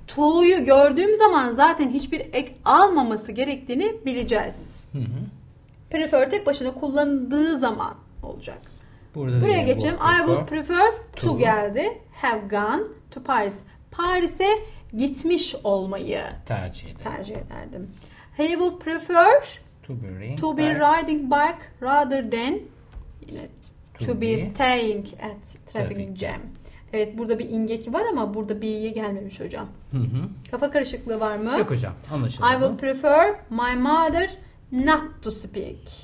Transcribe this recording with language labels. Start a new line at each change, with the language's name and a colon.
Turkish: To'yu gördüğüm zaman zaten hiçbir ek almaması gerektiğini bileceğiz. Prefer tek başına kullanıldığı zaman olacak. Buraya geçelim.
English: I would prefer to geldi. Have gone to Paris.
Turkish: Paris'e gitmiş olmayı tercih ederdim.
English: He would prefer to be riding bike rather than to be staying at traffic jam.
Turkish: Evet burada bir ingeki var ama burada bir iyiye gelmemiş hocam. Kafa karışıklığı var mı? Yok hocam. Anlaşıldı.
English: I would prefer my mother not to speak.